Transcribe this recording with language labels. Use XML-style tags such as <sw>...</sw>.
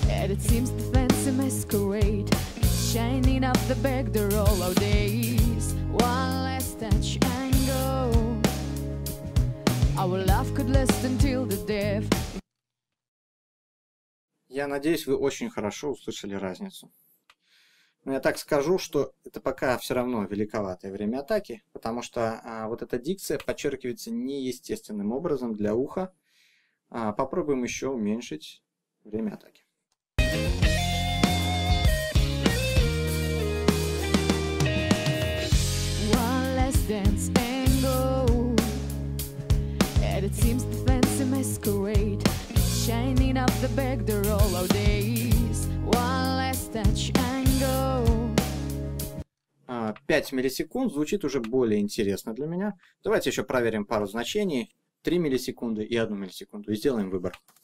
<en>It seems the fancy masquerade shining up the back door all our days. One last touch and go. Our love could last until the death.</en> <ru>Я надеюсь, вы очень хорошо услышали разницу. Но я так скажу, что это пока все равно великоватое время атаки, потому что вот эта дикция подчеркивается неестественным образом для уха. Попробуем еще уменьшить время атаки.</ru> <en>Dance and go. And it seems the fancy masquerade shining up the back door all our days. One last touch and go.</en> <ru>5 миллисекунд звучит уже более интересно для меня. Давайте еще проверим пару значений. 3 миллисекунды и 1 миллисекунду. И сделаем выбор.</ru>